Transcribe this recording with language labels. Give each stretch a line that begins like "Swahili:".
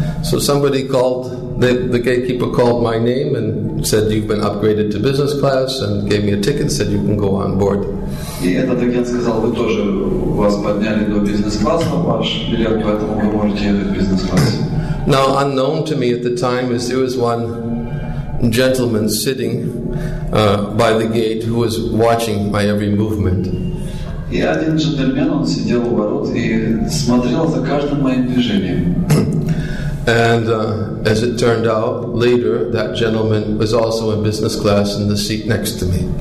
English: So somebody called the gatekeeper called my name and said, you've been upgraded to business class, and gave me a ticket, said you can go on board.
Russian: И этот агент сказал, вы тоже вас подняли до бизнес-класса, ваш билет, поэтому вы можете ехать в бизнес-класс.
English: Now, unknown to me at the time is there was one gentleman sitting by the gate who was watching my every movement.
Russian: И один джентльмен, он сидел у ворот и смотрел за каждым моим движением.
English: And as it turned out, later, that gentleman was also in business class in the seat next to me.